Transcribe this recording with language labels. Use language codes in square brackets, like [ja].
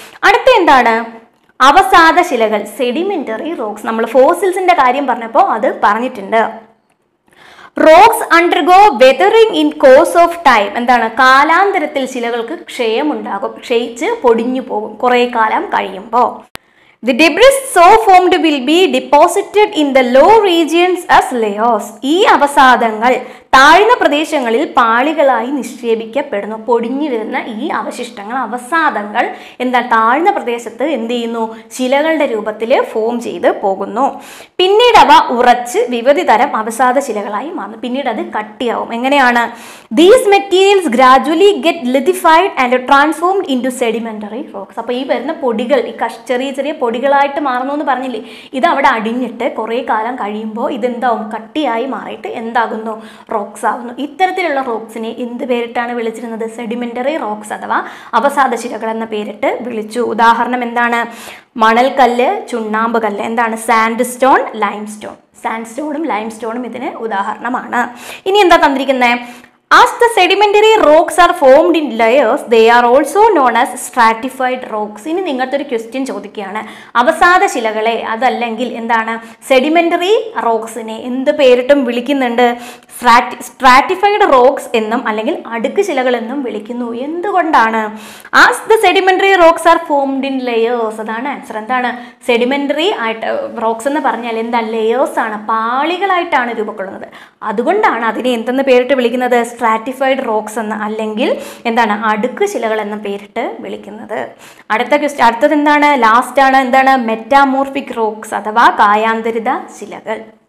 [ml] അടുത്ത എന്താണ് അവസാദ ശിലകൾ, സെഡിമെന്ററി റോക്സ്. നമ്മൾ ഫോസിൽസിന്റെ കാര്യം പറഞ്ഞപ്പോൾ അത് പറഞ്ഞിട്ടുണ്ട്. [en] Rocks undergo weathering in course of time. [ml] എന്താണ് കാലാന്തരത്തിൽ ശിലകൾക്ക് ക്ഷയമുണ്ടാകും, ക്ഷയിച്ച് പൊടിഞ്ഞു പോകും കുറേ കാലം കഴിയുമ്പോൾ. [en] The debris so formed will be deposited in the low regions as layers. [ml] ഈ അവസാദങ്ങൾ താഴ്ന്ന പ്രദേശങ്ങളിൽ പാളികളായി നിക്ഷേപിക്കപ്പെടുന്നു. പൊടിഞ്ഞു വരുന്ന ഈ അവശിഷ്ടങ്ങൾ, അവസാദങ്ങൾ എന്താ താഴ്ന്ന പ്രദേശത്ത് എന്ത് ചെയ്യുന്നു, ശിലകളുടെ രൂപത്തിൽ ഫോം ചെയ്ത് പോകുന്നു. പിന്നീട് അവ ഉറച്ച് വിവിധ തരം അവസാദ ശിലകളായി മാറുന്നു. പിന്നീട് അത് കട്ടിയാവും. എങ്ങനെയാണ് [en] These materials gradually get lithified and transformed into sedimentary rocks. [ml] അപ്പോൾ ഈ വരുന്ന പൊടികൾ, ഈ ചെറിയ ചെറിയ പൊടികളായിട്ട് മാറുന്നു എന്ന് പറഞ്ഞില്ലേ, ഇത് അവിടെ അടിഞ്ഞിട്ട് കുറേ കാലം കഴിയുമ്പോൾ ഇതെന്താവും, കട്ടിയായി മാറിയിട്ട് എന്താകുന്നു, റോക്സ് ആകുന്നു. ഇത്തരത്തിലുള്ള റോക്സിനെ എന്ത് പേരിട്ടാണ് വിളിച്ചിരുന്നത്? സെഡിമെന്ററി റോക്സ് അഥവാ അവസാദ ശിലകൾ എന്ന പേരിട്ട് വിളിച്ചു. ഉദാഹരണം എന്താണ്? മണൽക്കല്ല്, ചുണ്ണാമ്പ് കല്ല്, എന്താണ് sand stone, lime stone. Sand സ്റ്റോണും lime സ്റ്റോണും ഇതിന് ഉദാഹരണമാണ്. ഇനി എന്താ തന്നിരിക്കുന്നത്? [en] As the sedimentary rocks are formed in layers, they are also known as stratified rocks. [ml] ഇനി നിങ്ങൾക്കൊരു ക്വസ്റ്റ്യൻ ചോദിക്കുകയാണ് അവസാദ ശിലകളെ അതല്ലെങ്കിൽ എന്താണ് സെഡിമെന്ററി റോക്സിനെ എന്ത് പേരിട്ടും വിളിക്കുന്നുണ്ട് സ്ട്രാറ്റിഫൈഡ് റോക്സ് എന്നും അല്ലെങ്കിൽ അടുക്ക് ശിലകൾ എന്നും വിളിക്കുന്നു എന്തുകൊണ്ടാണ് [en] As the sedimentary rocks are formed in layers [ml] അതാണ് ആൻസർ എന്താണ് സെഡിമെന്ററി ആയിട്ട് റോക്സ് എന്ന് പറഞ്ഞാൽ എന്താ ലെയേഴ്സ് ആണ് പാളികളായിട്ടാണ് രൂപപ്പെടുന്നത് അതുകൊണ്ടാണ് അതിനെ എന്തെന്ന് പേരിട്ട് വിളിക്കുന്നത് Stratified rocks എന്ന് അല്ലെങ്കിൽ എന്താണ് അടുക്ക് ശിലകൾ എന്ന് പേരിട്ട് വിളിക്കുന്നത് അടുത്ത ക്വസ്റ്റ്യൻ അടുത്തത് എന്താണ് ലാസ്റ്റ് ആണ് എന്താണ് മെറ്റാമോർഫിക് റോക്സ് അഥവാ കായാന്തരിത ശിലകൾ